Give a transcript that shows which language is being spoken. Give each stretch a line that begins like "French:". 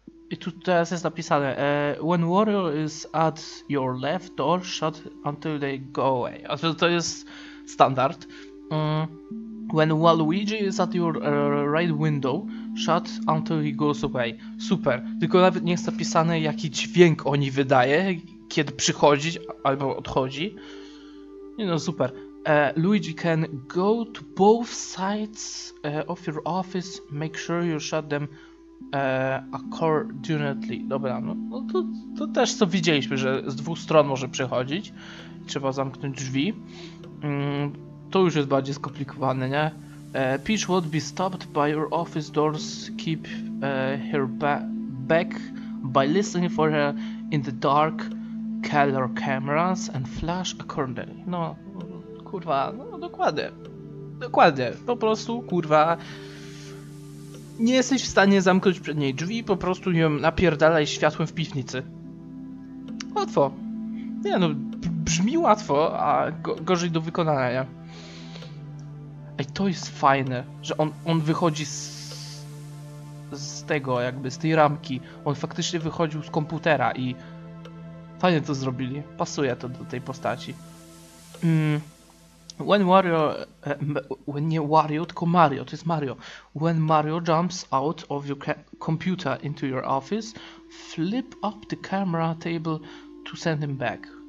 Polish: I tu teraz jest napisane:
English: When warrior is at your left door, shut until they go away.
Polish: A to jest standard.
English: When Waluigi is at your right window, shut until he goes away.
Polish: Super. Tylko nawet nie jest napisane, jaki dźwięk oni wydaje, kiedy przychodzi albo odchodzi. Nie no, super.
English: Luigi can go to both sides of your office. Make sure you shut them accordingly.
Polish: Dobra, no to też co widzieliśmy, że z dwóch stron może przychodzić. Trzeba zamknąć drzwi. To już jest bardziej skomplikowane, nie?
English: Peach won't be stopped by your office doors. Keep her back by listening for her in the dark color cameras and flash accordingly.
Polish: No, kurwa, no dokładnie. Dokładnie, po prostu, kurwa. Nie jesteś w stanie zamknąć przed niej drzwi, po prostu ją napierdalaj światłem w piwnicy. Łatwo. Nie no, brzmi łatwo, a gorzej do wykonania. Ej, to jest fajne, że on wychodzi z tego, jakby z tej ramki. On faktycznie wychodził z komputera i fajnie to zrobili. Pasuje to do tej postaci. When Wario. When nie Wario, tylko Mario, to jest Mario.
English: When Mario jumps out of your computer into your office, flip up the camera table to send him back.